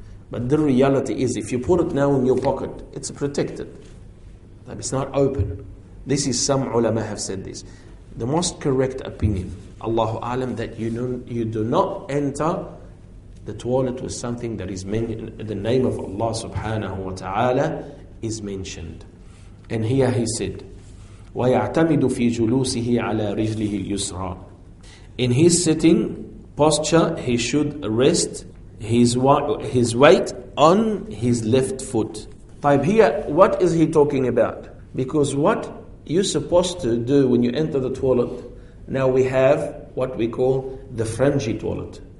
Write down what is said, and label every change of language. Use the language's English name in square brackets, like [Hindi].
[English] But the reality is, if you put it now in your pocket, it's protected. It's not open. This is, some ulama have said this. The most correct opinion, Allahu Alam, that you do not enter the toilet with something that is the name of Allah subhanahu wa ta'ala is mentioned. And here he said, [Arabic] وَيَعْتَمِدُ فِي جُلُوسِهِ عَلَىٰ رِجْلِهِ الْيُسْرَىٰ. [English] In his sitting posture, he should rest his weight on his left foot. طيب, here, what is he talking about? Because what you're supposed to do when you enter the toilet, now we have what we call the Frangi toilet.